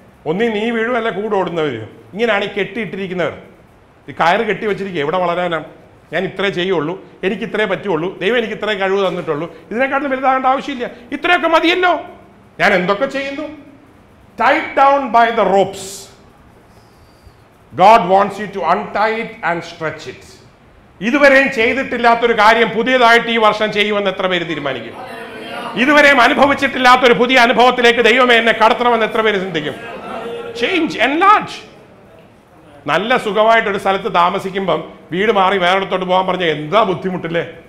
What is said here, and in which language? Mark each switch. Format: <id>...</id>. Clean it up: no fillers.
<ml>ഒന്നി നീ വീഴും, അല്ലെ കൂടെ ഓടുന്നവർ. ഇങ്ങനെയാണ് ഈ കെട്ടിയിട്ടിരിക്കുന്നവർ. ഈ കയറ് കെട്ടി വെച്ചിരിക്കുക, ഇവിടെ വളരാനാണ്. ഞാൻ ഇത്രേ ചെയ്യുള്ളൂ, എനിക്ക് ഇത്രേ പറ്റുള്ളൂ, ദൈവം എനിക്ക് ഇത്രേ കഴിവ് തന്നിട്ടുള്ളൂ, ഇതിനെക്കാട്ടിലും വലുതാകേണ്ട ആവശ്യമില്ല, ഇത്രയൊക്കെ മതിയല്ലോ, ഞാൻ എന്തൊക്കെ ചെയ്യുന്നു.</ml> <en>Tied down by the ropes. God wants you to untie it and stretch it.</en> <ml>ഇതുവരെയും ചെയ്തിട്ടില്ലാത്തൊരു കാര്യം പുതിയതായിട്ട് ഈ വർഷം ചെയ്യുമെന്ന് എത്ര പേര് തീരുമാനിക്കും? ഇതുവരെയും അനുഭവിച്ചിട്ടില്ലാത്തൊരു പുതിയ അനുഭവത്തിലേക്ക് ദൈവമേ എന്നെ കടത്തണമെന്ന് എത്ര പേര് ചിന്തിക്കും?</ml> <en>Change, enlarge.</en> <ml>നല്ല സുഖമായിട്ടൊരു സ്ഥലത്ത് താമസിക്കുമ്പം വീട് മാറി വേറെടുത്തോട്ട് പോകാൻ പറഞ്ഞാൽ എന്താ ബുദ്ധിമുട്ടില്ലേ?</ml>